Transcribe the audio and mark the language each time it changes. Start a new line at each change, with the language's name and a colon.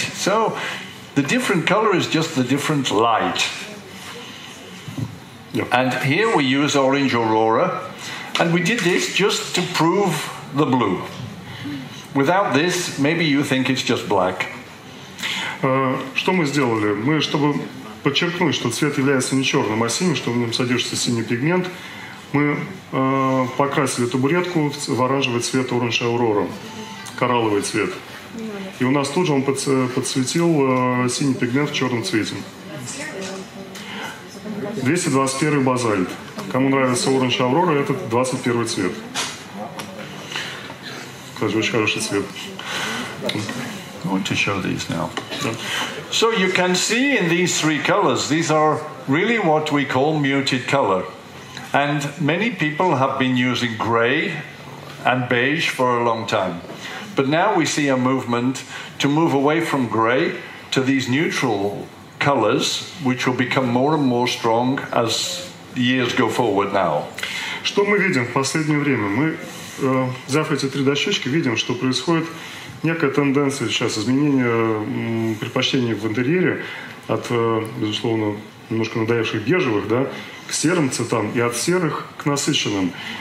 English: So, the different color is just the different light. Yep. And here we use orange aurora, and we did this just to prove the blue. Without this, maybe you think it's just black.
Russian: Что мы сделали? Мы, чтобы подчеркнуть, что цвет является не черным, а синим, что в нем содержится синий пигмент, мы покрасили табуретку в оранжевый цвет оранж аурора, коралловый цвет. И у нас тут же он подсветил синий пигмент в черном цвете. 221 базальт. Кому нравится оранж аврора, это 21 цвет. Кстати, очень хороший цвет.
English: I want to show these now. So you can see in these three colors, these are really what we call muted color. And many people have been using gray and beige for a long time. But now we see a movement to move away from gray to these neutral colors, which will become more and more strong as years go forward now.
Russian: Что мы видим в последнее время? Мы, взяв эти три дощечки, видим, что происходит некая тенденция сейчас, изменение предпочтений в интерьере от, безусловно, немножко надоевших бежевых, да, к серым цветам и от серых к насыщенным.